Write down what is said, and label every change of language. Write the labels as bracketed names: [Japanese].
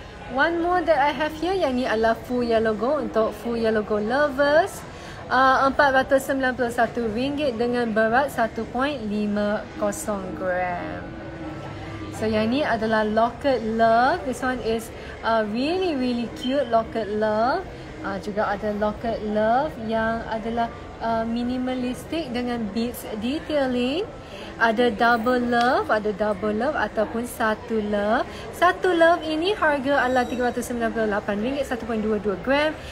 [English] One more that I have here, [Malay] yang ni adalah [English] full yellow gold untuk full yellow gold lovers. [Malay] RM491 dengan berat 1.50 gram. So yang ni adalah locket love. [English] This one is really really cute locket love. [Malay] Juga ada locket love yang adalah minimalistic dengan beads detailing. Ada double love, ada double love ataupun satu love. Satu love ini harga adalah RM398, 1.22 gram.